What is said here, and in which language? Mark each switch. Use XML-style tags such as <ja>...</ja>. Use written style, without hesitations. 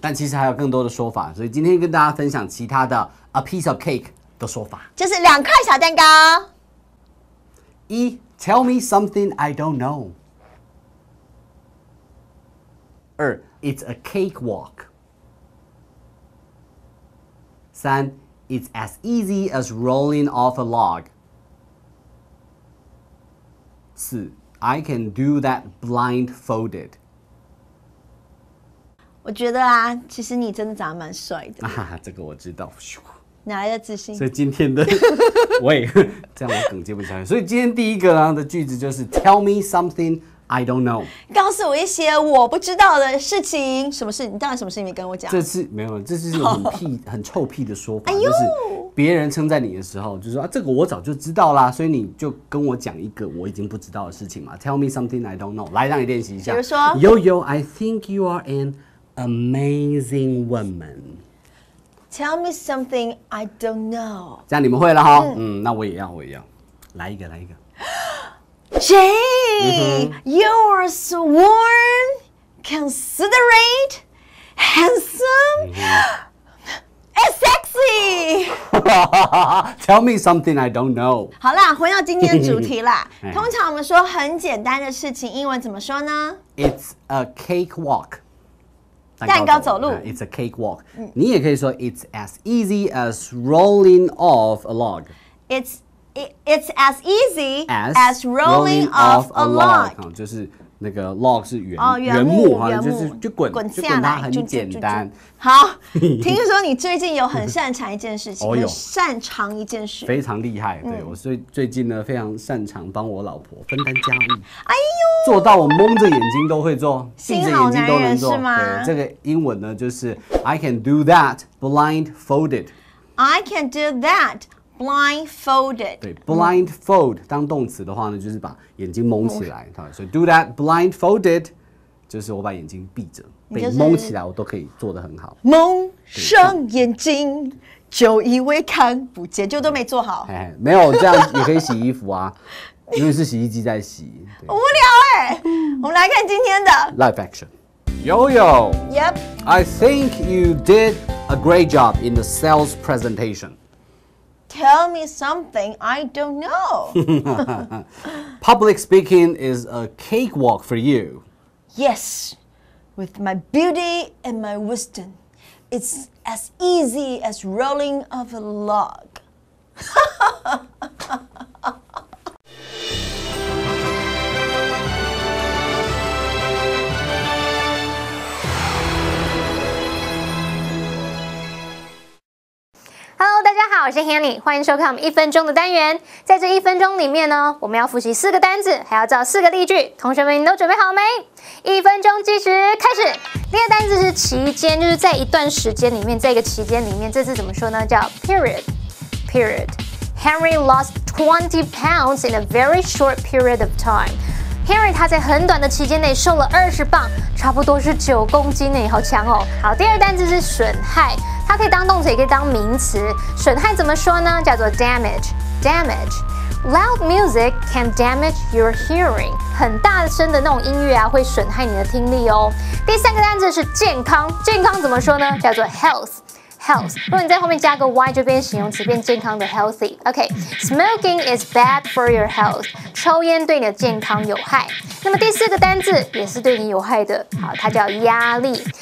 <zh>但其实还有更多的说法，所以今天跟大家分享其他的</zh> <en>a piece of cake</en> <zh>的说法，就是两块小蛋糕。</zh> <en>一 ，tell me something I don't know。二 ，it's a cakewalk。三 it's as easy as rolling off a log. 四 I can do that blindfolded.</en> <zh>我觉得啊，其实你真的长得蛮帅的。啊，这个我知道。哪来的自信？所以今天的，喂，这样我梗接不下去。所以今天第一个呢的句子就是</zh> <en>Tell me something I don't know.</en> <zh>告诉我一些我不知道的事情。什么事？你当然什么事情你跟我讲。这是没有，这是很屁、很臭屁的说法。哎呦，就是别人称赞你的时候，就说啊，这个我早就知道啦，所以你就跟我讲一个我已经不知道的事情嘛。</zh> <en>Tell me something I don't know.</en> <zh>来，让你练习一下。比如说</zh> <en>，Yo-Yo, I think you are an amazing woman. Tell me something I don't know.</en> <zh>这样你们会了哈。嗯，那我也要，我也要。来一个，来一个。</zh> <en>You are so warm, considerate, handsome, and sexy. Tell me something I don't know.</en> <zh>好啦，回到今天的主题啦。通常我们说很简单的事情，英文怎么说呢</zh> <en>？It's a cakewalk.</en> <zh>蛋糕走路。</zh> <en>It's a cakewalk.、</en> <zh>嗯、你也可以说</zh> <en>It's as easy as rolling off a log. It's as easy as rolling off a log.</en> <zh>就是那个 log 是圆、哦、圆木哈，就是就滚滚下来，就滚它很简单。好，听说你最近有很擅长一件事情，很擅长一件事，非常厉害。对、嗯、我最近呢，非常擅长帮我老婆分担家务。哎呦，做到我蒙着眼睛都会做，闭着眼睛都能做是吗？对，这个英文呢就是</zh> <en>I can do that blindfolded. I can do that. Blindfolded.</en> <zh>对 ，blindfold、嗯、当动词的话呢，就是把眼睛蒙起来。所、so、以 do that blindfolded， 就是我把眼睛闭着，被蒙起来，我都可以做得很好。蒙上眼睛，就以为看不见，就都没做好。哎，没有这样也可以洗衣服啊，因为是洗衣机在洗。无聊哎、欸，我们来看今天的</zh> <en>live action。 Yo-Yo. Yep. I think you did a great job in the sales presentation. tell me something I don't know. Public speaking is a cakewalk for you. Yes, with my beauty and my wisdom, it's as easy as rolling off a log.</en> <zh>我是 Hanny， 欢迎收看我们一分钟的单元。在这一分钟里面呢，我们要复习四个单字，还要造四个例句。同学们，你都准备好没？一分钟计时开始。第一个单字是期间，就是在一段时间里面，在一个期间里面，这字怎么说呢？叫</zh> <en>period。period。 Henry lost 20 pounds in a very short period of time。</en> <zh>Henry 他在很短的期间内瘦了20磅，差不多是9公斤呢，好强哦。好，第二个单字是损害。它可以当动词，也可以当名词。损害怎么说呢？叫做</zh> <en>damage。damage。 Loud music can damage your hearing。</en> <zh>很大声的那种音乐啊，会损害你的听力哦。第三个单字是健康。健康怎么说呢？叫做 health。health。如果你在后面加个 y， 就变形容词，变健康的 healthy。</zh> <en>OK。 Smoking is bad for your health。</en> <zh>抽烟对你的健康有害。那么第四个单字也是对你有害的，好，它叫压力。</zh>